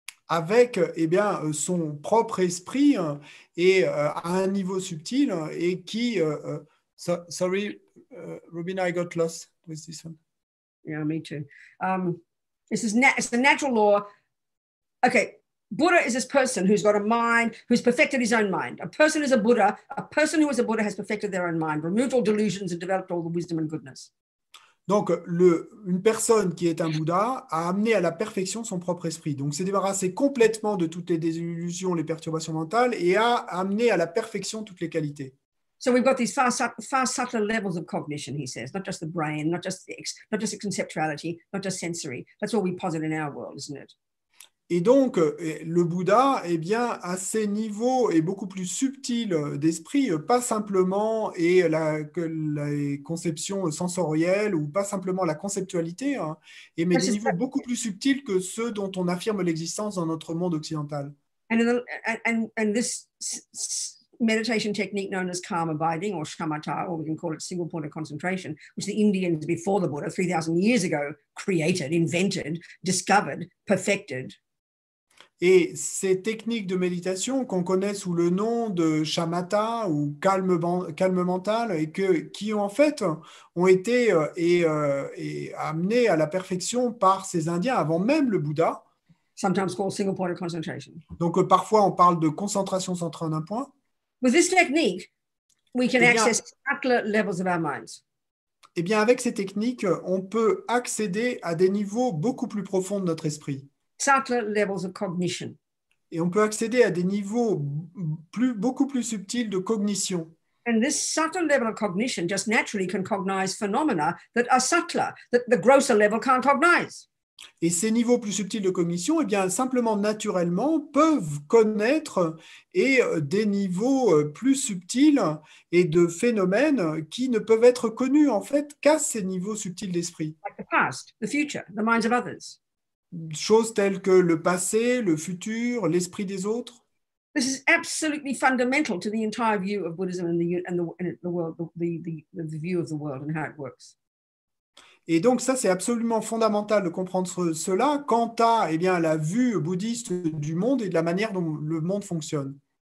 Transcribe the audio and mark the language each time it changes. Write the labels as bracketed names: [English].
[French] Avec eh bien, son propre esprit hein, et à un niveau subtil hein, et qui [English] sorry Robin, I got lost with this one. Yeah, me too. This is na it's the natural law. Okay, Buddha is this person who's got a mind, who's perfected his own mind. A person is a Buddha. A person who is a Buddha has perfected their own mind, removed all delusions and developed all the wisdom and goodness. [French] Donc, une personne qui est un Bouddha a amené à la perfection son propre esprit. Donc, s'est débarrassé complètement de toutes les désillusions, les perturbations mentales et a amené à la perfection toutes les qualités. [English] So we've got these far, far subtler levels of cognition, he says, not just the brain, not just the conceptuality, not just sensory. That's all we posit in our world, isn't it? [French] Et donc, le Bouddha, eh bien, à ces niveaux est beaucoup plus subtil d'esprit, pas simplement et la conception sensorielle ou pas simplement la conceptualité, hein, et mais des niveaux beaucoup plus subtils que ceux dont on affirme l'existence dans notre monde occidental. [English] And this meditation technique known as calm abiding or shamatha, or we can call it single point of concentration, which the Indians before the Buddha, 3,000 years ago, created, invented, discovered, perfected. [French] Et ces techniques de méditation qu'on connaît sous le nom de shamatha ou calme mental et qui en fait ont été et amenées à la perfection par ces Indiens avant même le Bouddha. [English] Sometimes called single point of concentration. [French] Donc parfois on parle de concentration centrée en un point. [English] With this technique, we can access subtler levels of our minds. [French] Et bien avec ces techniques, on peut accéder à des niveaux beaucoup plus profonds de notre esprit. [English] Subtler levels of cognition. [French] Et on peut accéder à des niveaux beaucoup plus subtils de cognition. [English] And this subtler level of cognition just naturally can cognize phenomena that are subtler, that the grosser level can't cognize. [French] Et ces niveaux plus subtils de cognition, eh bien, simplement naturellement, peuvent connaître et des niveaux plus subtils et de phénomènes qui ne peuvent être connus en fait qu'à ces niveaux subtils d'esprit. [English] Like the past, the future, the minds of others. [French] Choses telles que le passé, le futur, l'esprit des autres. [English] This is absolutely fundamental to the entire view of Buddhism and the world, the view of the world and how it works. [French] Et donc ça, c'est absolument fondamental de comprendre cela quant à eh bien, la vue bouddhiste du monde et de la manière dont le monde fonctionne.